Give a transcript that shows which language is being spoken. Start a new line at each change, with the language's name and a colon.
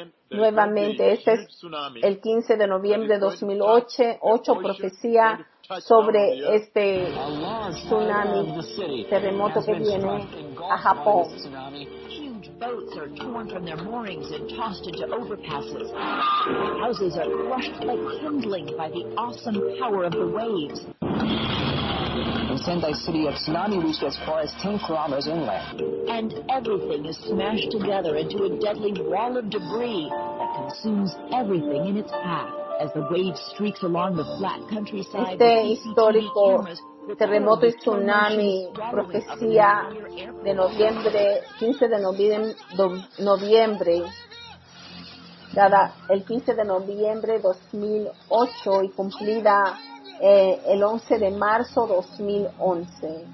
Spanish: Nuevamente, este es el 15 de noviembre de 2008, 8 profecía sobre este tsunami, terremoto que viene a Japón.
English: Boats are torn from their moorings and tossed into overpasses. Houses are crushed like kindling by the awesome power of the waves. In Sendai City, a tsunami reached as far as 10 kilometers inland. And everything is smashed together into a deadly wall of debris that consumes everything in its path. As the wave streaks along the flat countryside, the CCTV cameras.
Spanish: Terremoto y tsunami, profecía de noviembre, 15 de noviembre, dada el 15 de noviembre 2008 y cumplida el 11 de marzo 2011.